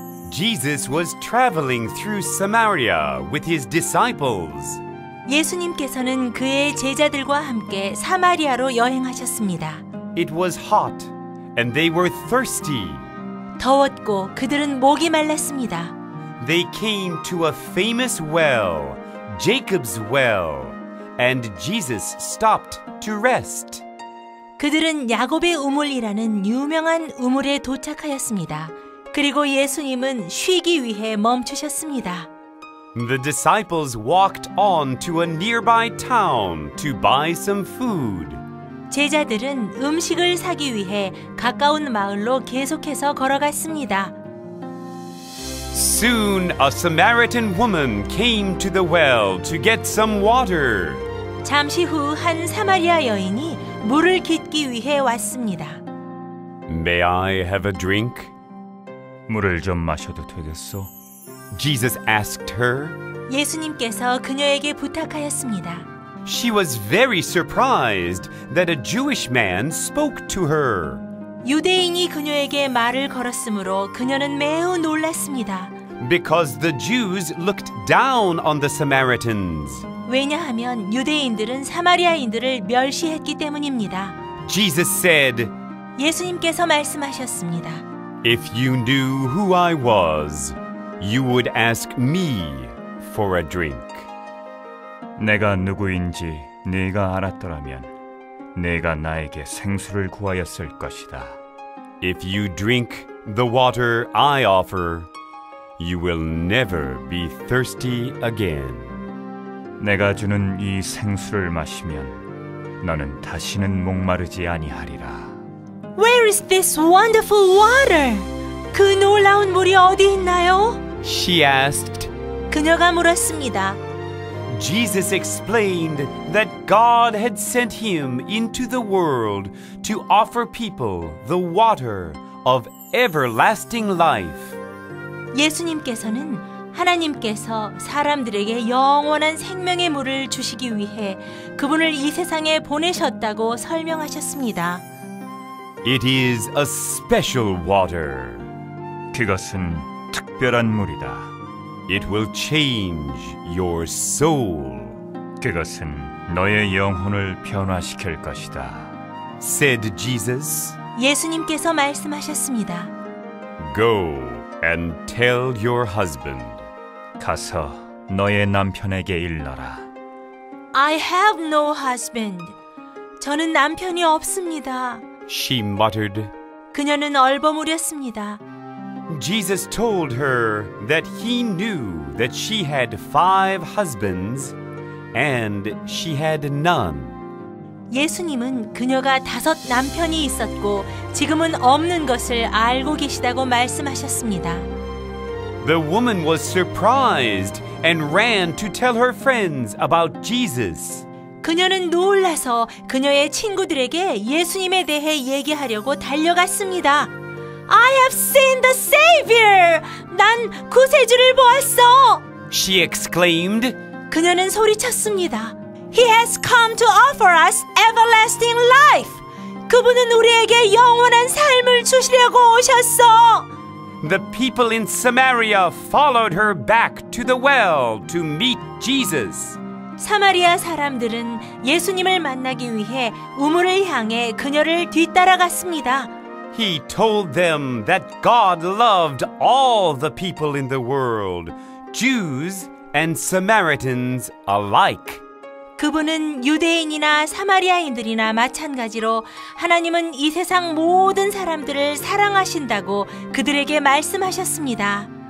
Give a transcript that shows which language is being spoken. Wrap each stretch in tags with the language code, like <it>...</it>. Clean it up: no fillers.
<en>Jesus was traveling through Samaria with his disciples.</en> <ko>예수님께서는 그의 제자들과 함께 사마리아로 여행하셨습니다.</ko> <en>It was hot and they were thirsty.</en> <ko>더웠고 그들은 목이 말랐습니다.</ko> <en>They came to a famous well, Jacob's well, and Jesus stopped to rest.</en> <ko>그들은 야곱의 우물이라는 유명한 우물에 도착하였습니다. 그리고 예수님은 쉬기 위해 멈추셨습니다.</ko> <en>The disciples walked on to a nearby town to buy some food.</en> <ko>제자들은 음식을 사기 위해 가까운 마을로 계속해서 걸어갔습니다.</ko> <en>Soon a Samaritan woman came to the well to get some water.</en> <ko>잠시 후 한 사마리아 여인이 물을 깃기 위해 왔습니다.</ko> <en>May I have a drink?</en> <ko>물을 좀 마셔도 되겠소?</ko> <en>Jesus asked her.</en> <ko>예수님께서 그녀에게 부탁하셨습니다.</ko> <en>She was very surprised that a Jewish man spoke to her.</en> <ko>유대인이 그녀에게 말을 걸었으므로 그녀는 매우 놀랐습니다.</ko> <en>Because the Jews looked down on the Samaritans.</en> <ko>왜냐하면 유대인들은 사마리아인들을 멸시했기 때문입니다.</ko> <en>Jesus said.</en> <ko>예수님께서 말씀하셨습니다.</ko> <en>If you knew who I was, you would ask me for a drink.</en> <ko>내가 누구인지 네가 알았더라면 네가 나에게 생수를 구하였을 것이다.</ko> <en>If you drink the water I offer, you will never be thirsty again.</en> <ko>내가 주는 이 생수를 마시면 너는 다시는 목마르지 아니하리라.</ko> <en>Where is this wonderful water?</en> <ko>그 놀라운 물이 어디 있나요?</ko> <en>She asked.</en> <ko>그녀가 물었습니다.</ko> <en>Jesus explained that God had sent him into the world to offer people the water of everlasting life.</en> <ko>예수님께서는 하나님께서 사람들에게 영원한 생명의 물을 주시기 위해 그분을 이 세상에 보내셨다고 설명하셨습니다.</ko> <en>It is a special water.</en> <ko>그것은 특별한 물이다.</ko> <en>It will change your soul.</en> <ko>그것은 너의 영혼을 변화시킬 것이다.</ko> <en>Said Jesus.</en> <ko>예수님께서 말씀하셨습니다.</ko> <en>Go and tell your husband.</en> <ko>가서 너의 남편에게 일러라.</ko> <en>I have no husband.</en> <ko>저는 남편이 없습니다.</ko> <en>She muttered.</en> <ko>그녀는 얼버무렸습니다.</ko> <en>Jesus told her that he knew that she had five husbands and she had none.</en> <ko>예수님은 그녀가 다섯 남편이 있었고 지금은 없는 것을 알고 계시다고 말씀하셨습니다.</ko> <en>The woman was surprised and ran to tell her friends about Jesus.</en> <ko>그녀는 놀라서 그녀의 친구들에게 예수님에 대해 얘기하려고 달려갔습니다.</ko> <en>I have seen the Savior!</en> <ko>난 구세주를 보았어!</ko> <en>She exclaimed.</en> <ko>그녀는 소리쳤습니다.</ko> <en>He has come to offer us everlasting life!</en> <ko>그분은 우리에게 영원한 삶을 주시려고 오셨어!</ko> <en>The people in Samaria followed her back to the well to meet Jesus.</en> <ko>사마리아 사람들은 예수님을 만나기 위해 우물을 향해 그녀를 뒤따라갔습니다.</ko> <en>He told them that God loved all the people in the world, Jews and Samaritans alike.</en> <ko>그분은 유대인이나 사마리아인들이나 마찬가지로 하나님은 이 세상 모든 사람들을 사랑하신다고 그들에게 말씀하셨습니다.</ko>